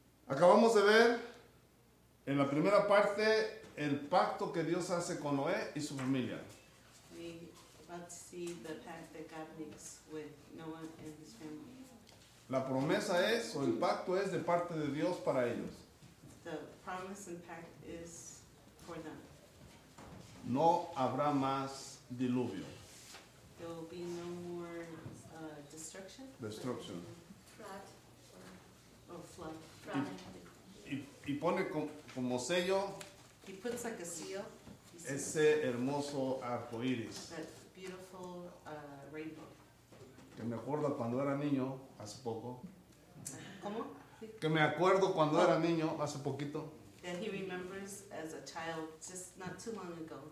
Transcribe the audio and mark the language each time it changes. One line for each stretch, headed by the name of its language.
Spanish: Acabamos de ver en la primera parte el pacto que Dios hace con Noé y su familia.
English: We're about to see the pact that God makes with Noah and his family.
Spanish: La promesa es, o el pacto es de parte de Dios para ellos.
English: The promise and pact is for them.
Spanish: No habrá más diluvio.
English: There will be no more destruction. Destruction. Flood. Or flood.
Spanish: Y pone como sello.
English: He puts like a seal.
Spanish: Ese hermoso arco iris.
English: That beautiful rainbow.
Spanish: Que me acuerdo cuando era niño, hace poco. ¿Cómo? Que me acuerdo cuando era niño, hace poquito.
English: That he remembers as a child, just not too long ago.